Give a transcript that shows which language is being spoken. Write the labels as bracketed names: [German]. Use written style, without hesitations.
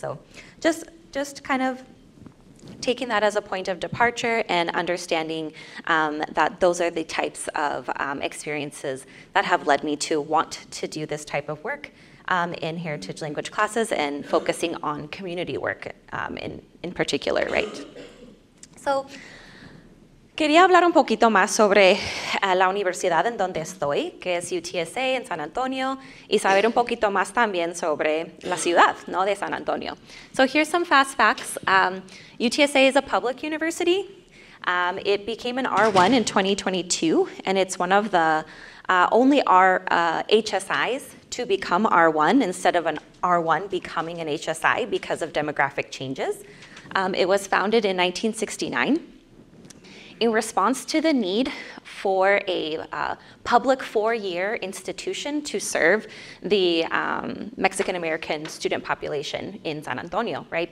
[English] So just kind of taking that as a point of departure and understanding that those are the types of experiences that have led me to want to do this type of work in heritage language classes and focusing on community work in particular, right? [Spanish] So quería hablar un poquito más sobre la universidad en donde estoy, que es UTSA en San Antonio, y saber un poquito más también sobre la ciudad, ¿no?, de San Antonio. [English] So here's some fast facts. UTSA is a public university. It became an R1 in 2022, and it's one of the only HSIs to become R1 instead of an R1 becoming an HSI because of demographic changes. It was founded in 1969. In response to the need for a public four-year institution to serve the Mexican-American student population in San Antonio, right?